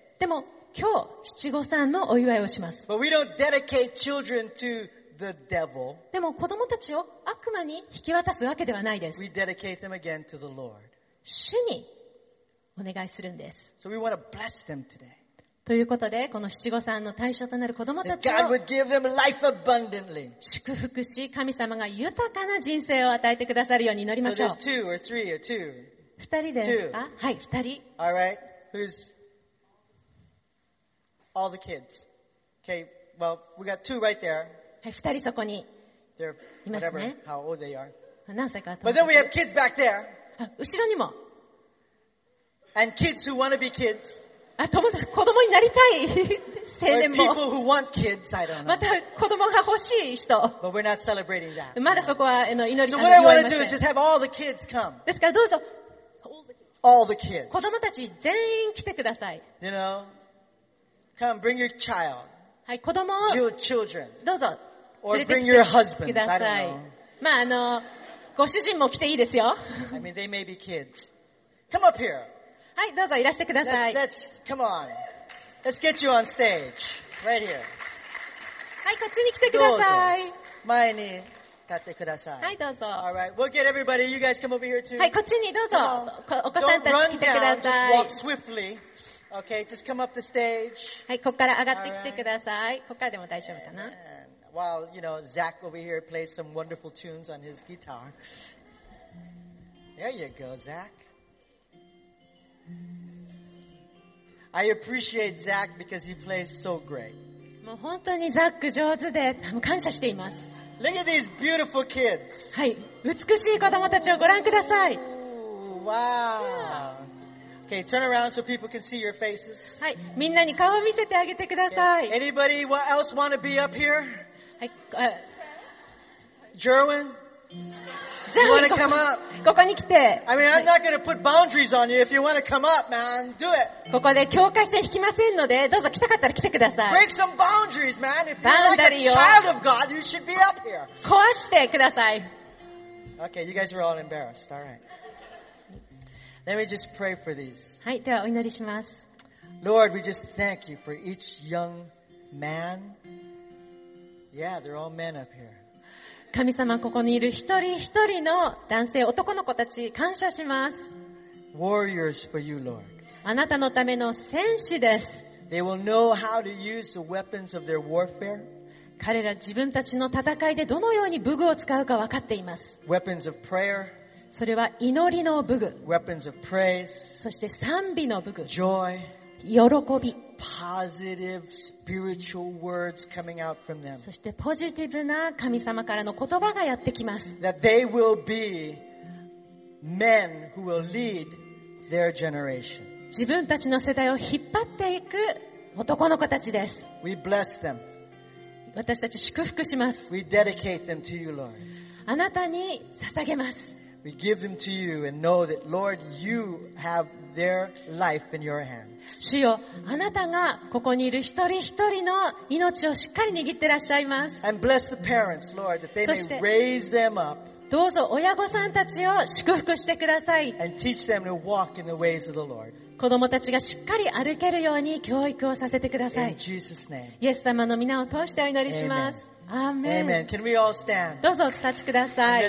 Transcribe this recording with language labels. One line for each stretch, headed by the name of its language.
Japanese: でも今日七五三のお祝いをします。
English: But we don't dedicate children to the devil.
Japanese: でも子供たちを悪魔に引き渡すわけではないです。
English: We dedicate them again to the Lord.
Japanese: 主にお願いするんです。
English: So we want to bless them today.
Japanese: ということでこの七五三の対象となる子供たちを
English: God would give them life abundantly.
Japanese: 祝福し神様が豊かな人生を与えてくださるように祈りましょう。
English: So there's two or three or two.
Japanese: 二人ですか？はい、二人。
English: All right. Who's all the kids? Okay. Well, we got two right there.
Japanese: はい、二人そこにいますね。
English: How old they are.
Japanese: 何歳かと。
English: But then we have kids back there.
Japanese: あ、後ろにも。
English: And kids who want to be kids.
Japanese: あ、子供になりたい青年も。
English: Or people who want kids, I don't know.
Japanese: また子供が欲しい人。
English: But we're not celebrating that.
Japanese: まだそこは祈りません。
English: So what I want to do is just have all the kids come.
Japanese: ですからどうぞ。
English: All the kids.
Japanese: 子供たち全員来てください。
English: You know, come bring your child.
Japanese: はい、子供を。
English: Your children.
Japanese: どうぞ。
English: Or bring your husband.
Japanese: ください。まあご主人も来ていいですよ。
English: I mean, they may be kids. Come up here.
Japanese: はい、どうぞいらしてください。 Come on. Let's get you on stage. Right here. はい、こっちに来てください。前に。立ってください。はい、どうぞ。
English: All right. We'll get everybody. You guys come over here too.
Japanese: はい、こっちにどうぞ。お子さんたち来てください。
English: Don't run down. Just walk swiftly. Okay. Just come up the stage.
Japanese: はい、ここから上がってきてください。ここからでも大丈夫かな。
English: While you know Zach over here plays some wonderful tunes on his guitar. There you go, Zach. I appreciate Zach because he plays so great.
Japanese: もう本当にザック上手で、感謝しています。
English: Look at these beautiful kids.
Japanese: はい、美しい子供たちをご覧ください。
English: Wow. Okay, turn around so people can see your faces.
Japanese: はい、みんなに顔を見せてあげてください。
English: Yes. Anybody else want to be up here?
Japanese: はい、
English: Jerwin? Do you want to come up?
Japanese: ここに来て。
English: I mean, I'm not going to put boundaries on you. If you want to come up, man, do it.
Japanese: ここで境界線引きませんので、どうぞ来たかったら来てください。
English: Break some boundaries, man. If you're like a child of God, you should be up here.
Japanese: 壊してください。
English: Okay, you guys are all embarrassed. All right. Let me just pray for these.
Japanese: はい、ではお祈りします。
English: Lord, we just thank you for each young man. Yeah, they're all men up here.
Japanese: 神様、ここにいる一人一人の男性、男の子たち、感謝します。
English: Warriors for you, Lord.
Japanese: あなたのための戦士です。
English: They will know how to use the weapons of their warfare.
Japanese: 彼ら自分たちの戦いでどのように武具を使うか分かっています。
English: Weapons of prayer.
Japanese: それは祈りの武具
English: Weapons of praise,
Japanese: そして賛美の武具
English: joy,
Japanese: 喜び
English: positive spiritual words coming out from them,
Japanese: そしてポジティブな神様からの言葉がやってきます
English: that they will be men who will lead their generation.
Japanese: 自分たちの世代を引っ張っていく男の子たちです
English: We bless them.
Japanese: 私たち祝福します
English: We dedicate them to you, Lord.
Japanese: あなたに捧げます
English: We give them to you and know that, Lord, you have their life in your hand.
Japanese: 主よ、あなたがここにいる一人一人の命をしっかり握ってらっしゃいます。
English: And bless the parents, Lord, that they may raise them up.
Japanese: どうぞ親御さんたちを祝福してください。
English: And teach them to walk in the ways of the Lord.
Japanese: 子供たちがしっかり歩けるように教育をさせてください。
English: In Jesus' name.
Japanese: イエス様の名を通してお祈りします。
English: Amen. Amen. Can we all stand?
Japanese: どうぞお立ちください。